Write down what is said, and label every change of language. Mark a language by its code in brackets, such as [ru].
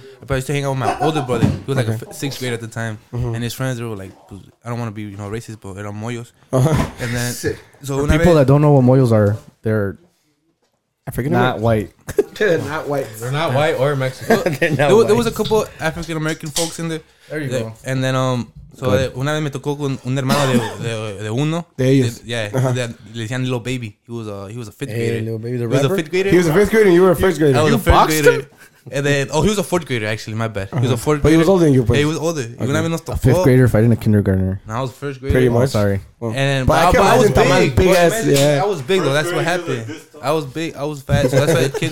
[en] But I used to hang out with my older brother. He was like sixth grade at the time, mm-hmm. And his friends were like, "I don't want to be, you know, racist, but [es] eran moyos." [en] Uh-huh. And then, so for people that don't know what moyos are, they're African, not white. They're not white. They're not white or Mexican. Well, there was a couple African American folks in there. There you go. And then so good. [es] Una vez me tocó con un hermano de uno. De ellos. Le decían [en] little baby. He was a fifth grader. Little baby, he was a fifth grader. He was a fifth grader and you were a first grader. I was you a fifth grader. And then he was a fourth grader actually, my bad. Uh-huh. He was a fourth grader. But he was older than you, bro. He was older. Okay. [es] Una vez nos tocó. [en] A fifth grader fighting a kindergartner. No, I was first grader. Pretty much. Sorry. But I was big. I was big though. That's what happened. I was big. I was fat. So that's why the kid